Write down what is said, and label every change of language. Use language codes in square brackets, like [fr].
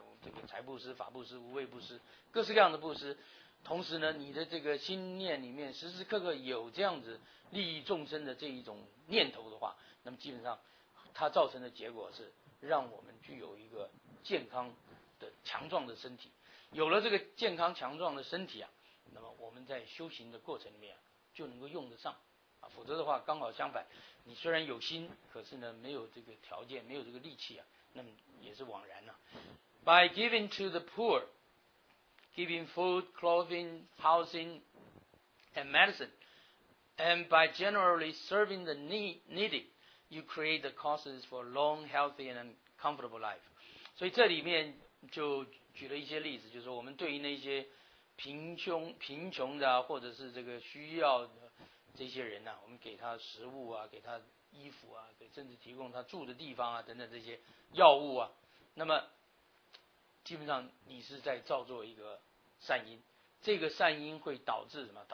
[zh] 我们这个财布施、法布施、无畏布施，各式各样的布施，同时呢你的这个心念里面时时刻刻有这样子利益众生的这一种念头的话，那么基本上它造成的结果是让我们具有一个健康的强壮的身体。有了这个健康强壮的身体啊，那么我们在修行的过程里面、啊、就能够用得上啊，否则的话刚好相反，你虽然有心，可是呢没有这个条件，没有这个力气啊，那么也是枉然了、啊。 [en] By giving to the poor, giving food, clothing, housing, and medicine, and by generally serving the needy, you create the causes for long, healthy, and comfortable life. [zh] 所以这里面就举了一些例子，就是说我们对于那些贫穷的、啊、或者是这个需要的这些人呢、啊，我们给他食物啊，给他衣服啊，给甚至提供他住的地方啊，等等这些药物啊，那么基本上你是在造作一个善因，这个善因会导致什么？